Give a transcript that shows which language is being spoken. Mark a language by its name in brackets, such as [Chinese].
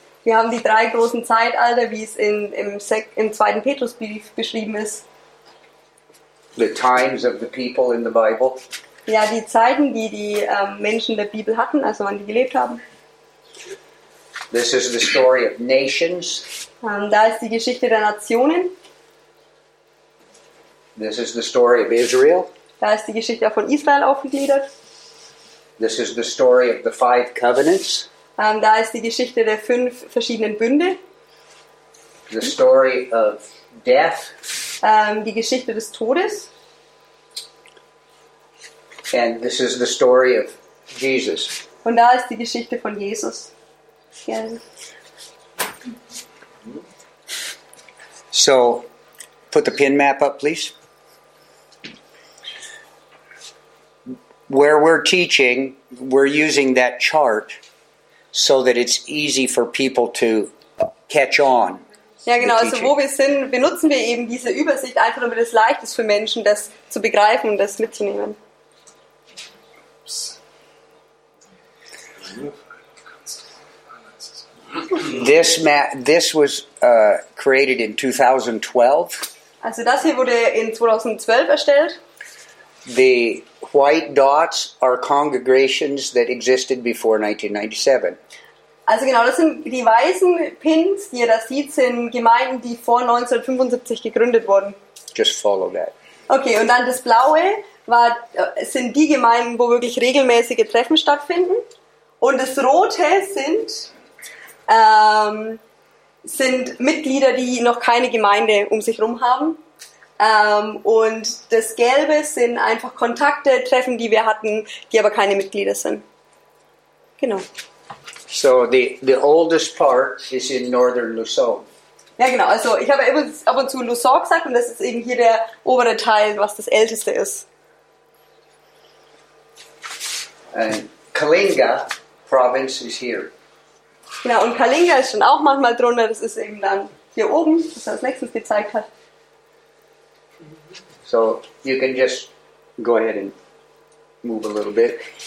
[German] Wir haben die drei großen Zeitalter, wie es im 2. Petrusbrief beschrieben ist. [English] The times of the people in the Bible. [German] Ja, die Zeiten, die die Menschen der Bibel hatten, also wann die gelebt haben. [English] This is the story of nations. [German] Da ist die Geschichte der Nationen. [English] This is the story of Israel. [German] Da ist die Geschichte von Israel aufgegliedert. [English] This is the story of the five covenants. [German] Da ist die Geschichte der 5 verschiedenen Bünde. [English] The story of death. [German] Die Geschichte des Todes. [English] And this is the story of Jesus. [German] Und da ist die Geschichte von Jesus. Gerne. [English] So, put the pin map up, please. Where we're teaching, we're using that chart so that it's easy for people to catch on. [German] Ja, genau. Also wo wir sind, benutzen wir eben diese Übersicht einfach, damit es leicht ist für Menschen, das zu begreifen und das mitzunehmen. [English] This map, this was created in 2012. [German] Also das hier wurde in 2012 erstellt. [English] The white dots are congregations that existed before 1997. [German] Also genau, das sind die weißen Pins, die ihr da seht, sind Gemeinden, die vor 1975 gegründet wurden. [English] Just follow that. [German] Okay, und dann das blaue sind die Gemeinden, wo wirklich regelmäßige Treffen stattfinden. Und das rote sind Mitglieder, die noch keine Gemeinde um sich rum haben. Und das Gelbe sind einfach Kontakte, Treffen, die wir hatten, die aber keine Mitglieder sind. Genau. [English] So the oldest part is in northern Luzon. [German] Ja, genau. Also ich habe eben ab und zu Luzon gesagt, und das ist eben hier der obere Teil, was das älteste ist. [English] And Kalinga province is here. [German] Genau, und Kalinga ist schon auch manchmal drunter, das ist eben dann hier oben, was er als nächstes gezeigt hat. [English] So you can just go ahead and move a little bit.